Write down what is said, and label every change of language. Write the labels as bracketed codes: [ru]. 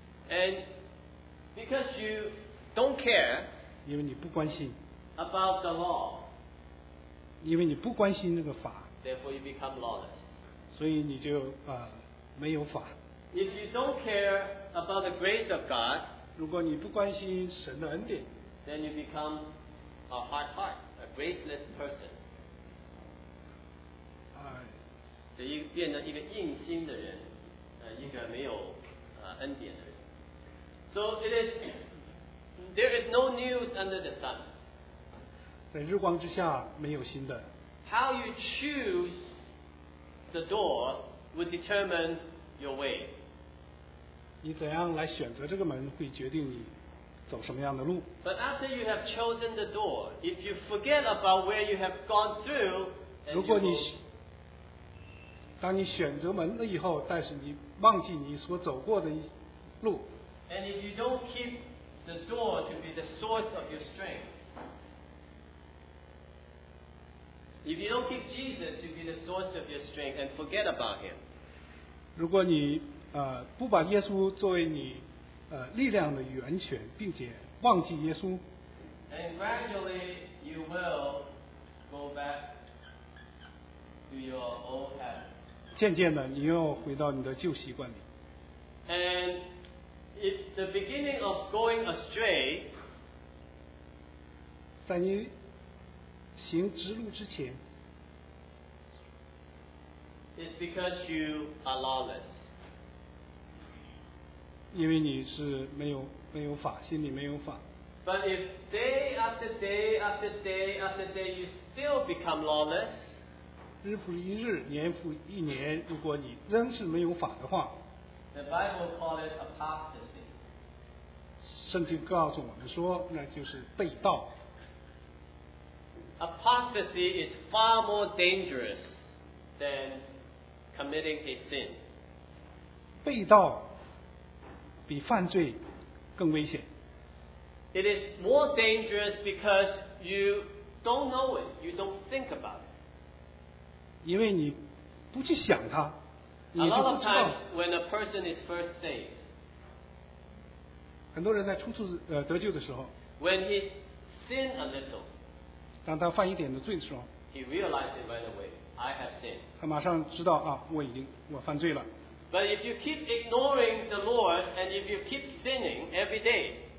[en] And because you don't care, [zh] 因为你不关心 [en] about the law, [zh] 因为你不关心那个法， [en] therefore you become lawless. [zh] 所以你就没有法。 [en] If you don't care about the grace of God, [zh] 如果你不关心神的恩典， [en] then you become a hard heart, a graceless person. [zh] 所以变成一个硬心的人，一个没有恩典的人。 [en] So it is, there is no news under the sun. [zh] 在日光之下没有新的。 [en] How you choose the door would determine your way. [zh] 你怎样来选择这个门会决定你走什么样的路。 [en] But after you have chosen the door, if you forget about where you have gone through, [zh] 如果你当你选择门了以后，但是你忘记你所走过的路， [en] and if you don't keep the door to be the source of your strength, if you don't keep Jesus to be the source of your strength and forget about him, [zh] 如果你不把耶稣作为你力量的源泉，并且忘记耶稣， [en] and gradually you will go back to your old habit. [zh] 渐渐的你又回到你的旧习惯里。 [en] And it's the beginning of going astray. [zh] 在你行直路之前， [en] it's because you are lawless. [zh] 因为你是没有法，心里没有法。 [en] But if day after day after day after day you still become lawless, [zh] 日复一日，年复一年，如果你仍是没有法的话， [en] The Bible call it apostasy. [zh] 圣经告诉我们说，那就是背道。 [en] Apostasy is far more dangerous than committing a sin. [zh] 背道比犯罪更危险。 [en] It is more dangerous because you don't know it, you don't think about it. [zh] 因为你不去想它，你就不知道。 [en] A lot of times when a person is first saved, [zh] 很多人在初次得救的时候， [en] when he sinned a little, [zh] 当他犯一点的罪的时候， [en] he realized it right away, I have sinned. [zh] 他马上知道啊，我犯罪了。 [en] But if you keep ignoring the Lord and if you keep sinning every day,